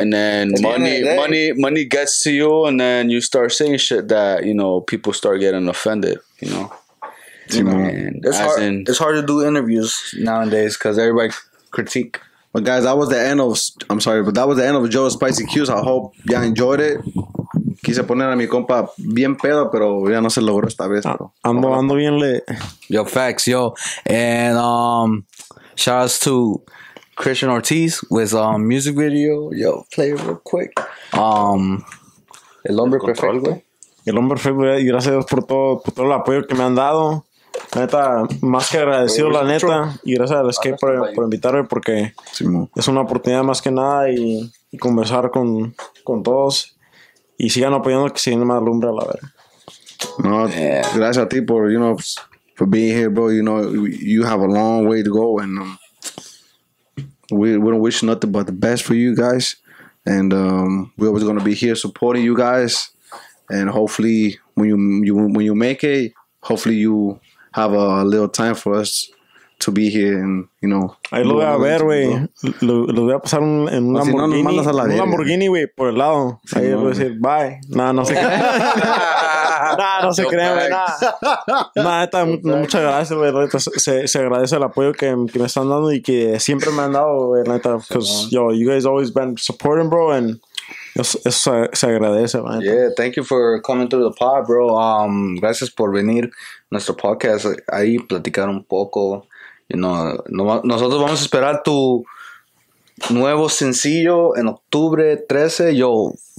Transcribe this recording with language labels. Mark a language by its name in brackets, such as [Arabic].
[English] And then money gets to you and then you start saying shit that, you know, people start getting offended, you know. And it's hard to do interviews nowadays because everybody critique. But guys, that was the end of, I'm sorry, but that was the end of Joe's Spicy Q's. I hope y'all enjoyed it. [Spanish] Quise poner a mi compa bien pedo, pero ya no se logró esta vez. Ando bien lit. [English] Yo, facts, yo. And shout outs to Cristian Ortiz with music video. Yo, play it real quick. El hombre perfecto. [Spanish] El hombre perfecto. Y gracias por todo el apoyo que me han dado. Neta, más que agradecido, la neta. Y gracias al Escape por invitarme porque es una oportunidad más que nada y conversar con todos. Y sigan apoyando que siguen más lumbre, la verdad. [English] No, yeah. [Spanish] Gracias a ti por, [English] you know, for being here, bro. You know, you have a long way to go. And we don't wish nothing but the best for you guys. And we're always going to be here supporting you guys. And hopefully, when you make it, hopefully you have a little time for us to be here and, you know. [Spanish] Ahí lo voy a ver, güey. Lo voy a pasar en un Lamborghini. Si no, nos mandas a la Lamborghini, güey, por el lado. Sí, ahí no, voy a decir, bye. Nah, no se crean. Nah, no se crean, güey. Nah, esta, muchas gracias, güey. Se agradece el apoyo que me están dando y que siempre me han dado, güey. [English] Neta, because, yo, you guys always been supporting, bro, and [Spanish] eso se agradece, [English] man. Yeah, thank you for coming through the pod, bro. [Spanish] Gracias por venir a nuestro podcast. Ahí platicar un poco. [English] You know, [Spanish] nosotros vamos a esperar tu nuevo sencillo en octubre 13. Yo,